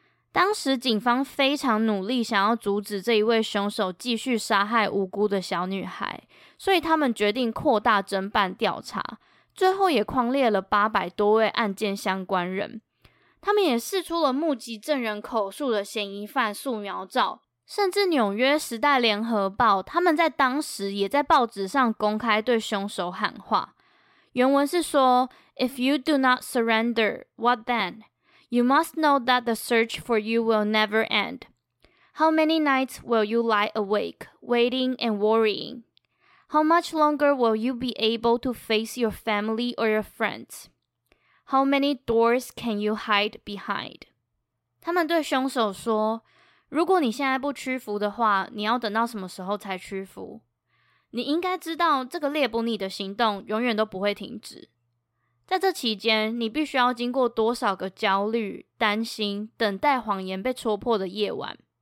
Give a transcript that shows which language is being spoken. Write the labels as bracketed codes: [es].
[zh] 当时警方非常努力想要阻止这一位凶手继续杀害无辜的小女孩，所以他们决定扩大侦办调查，最后也框列了800多位案件相关人。他们也释出了目击证人口述的嫌疑犯素描照，甚至纽约时代联合报他们在当时也在报纸上公开对凶手喊话。原文是说 [en] If you do not surrender, what then? You must know that the search for you will never end. How many nights will you lie awake, waiting and worrying? How much longer will you be able to face your family or your friends? How many doors can you hide behind? [zh] 他们对凶手说，如果你现在不屈服的话，你要等到什么时候才屈服？你应该知道这个猎捕你的行动永远都不会停止。在这期间，你必须要经过多少个焦虑、担心、等待谎言被戳破的夜晚？